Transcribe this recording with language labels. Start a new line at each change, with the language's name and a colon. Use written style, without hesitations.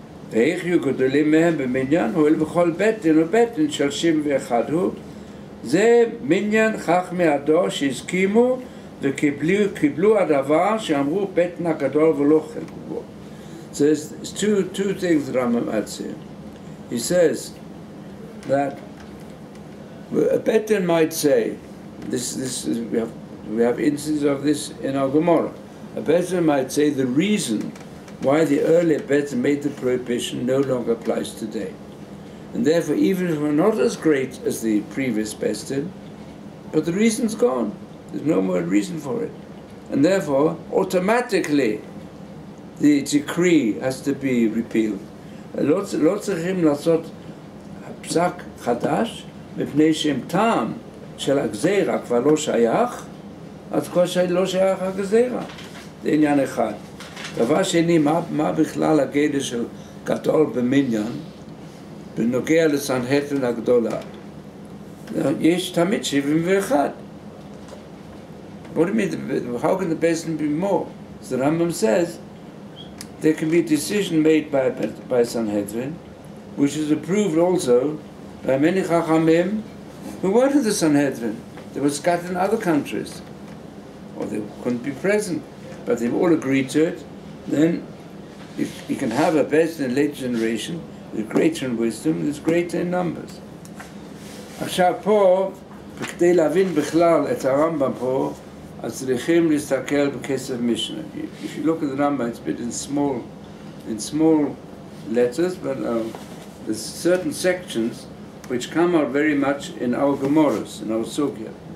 Hebrew: ואיך יהיו גדולים מהם במניין? הוא אל בכל בית דין ובית דין של 71 הוא. זה מניין חכמי הדור שהסכימו וקיבלו הדבר שאמרו בית דין הגדול ולא חלקו בו.
English: So it's two things that I'm asking. He says that a bet then might say, this is, we have instances of this in our Gemara, a bet then might say the reason why the earlier bets made the prohibition no longer applies today. And therefore, even if we're not as great as the previous Bestin, but the reason's gone. There's no more reason for it. And therefore, automatically, the decree has to be repealed.
Hebrew: לא צריכים לעשות פסק חדש, מפני שהם טעם של הגזירה כבר לא שייך, אז כבר לא שייך הגזירה. זה עניין אחד. דבר שני, מה בכלל הגדר של גדול במניין בנוגע לסנהדרין הגדולה? יש תמיד 71.
English: What do you mean? How can the Beis Din be more? The Rambam says, there can be a decision made by Sanhedrin, which is approved also by many Chachamim who weren't in the Sanhedrin. They were scattered in other countries, or they couldn't be present, but they've all agreed to it. Then if you can have a Beis Din in the later generation, there's greater in wisdom, there's greater in numbers.
Hebrew: עכשיו פה, כדי להבין בכלל את הרמב״ם פה, אז צריכים להסתכל בכסף משנה.
English: If you look at the Rambam, it's a bit in small letters, but there's certain sections which come out very much in our Gemaras, in our Sugya.